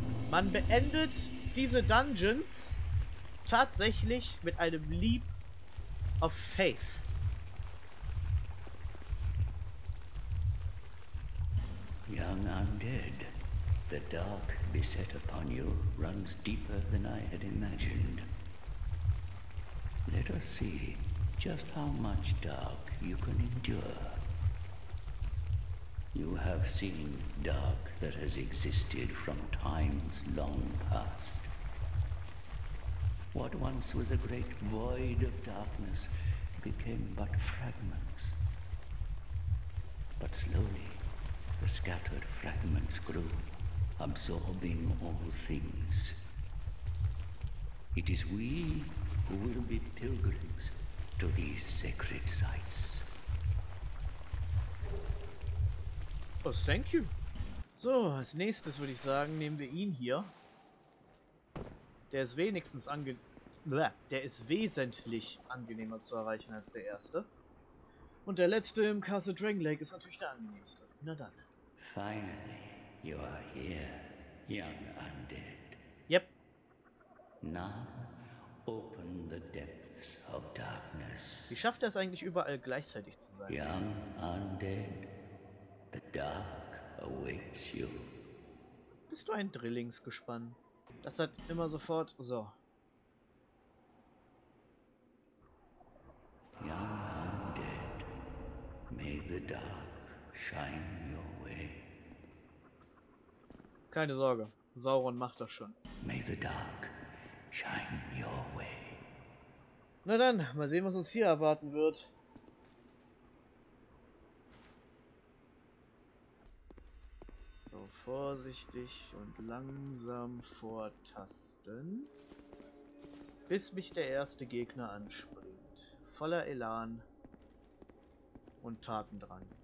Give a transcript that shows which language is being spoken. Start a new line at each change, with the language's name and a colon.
German: Man beendet diese Dungeons tatsächlich mit einem Leap of Faith.
English: Young undead, the dark beset upon you runs deeper than I had imagined. Let us see just how much dark you can endure. You have seen dark that has existed from times long past. What once was a great void of darkness became but fragments. But slowly, the scattered fragments grew, absorbing all things. It is we who will be pilgrims to these sacred sites. Oh, thank you.
German: So, als nächstes würde ich sagen, nehmen wir ihn hier. Der ist wenigstens wesentlich angenehmer zu erreichen als der erste. Und der letzte im Castle Dranglake ist natürlich der angenehmste. Na dann.
English: Finally, you are here, young undead. Yep. Now, open the depths of darkness.
German: Wie schafft er es eigentlich überall gleichzeitig zu sein?
English: Young undead. The dark awaits you.
German: Bist du ein Drillingsgespann? Das hat immer sofort so.
English: Young undead, may the dark shine your way.
German: Keine Sorge, Sauron macht das schon.
English: May the dark shine your way.
German: Na dann, mal sehen, was uns hier erwarten wird. So, vorsichtig und langsam vortasten. Bis mich der erste Gegner anspringt. Voller Elan und Tatendrang.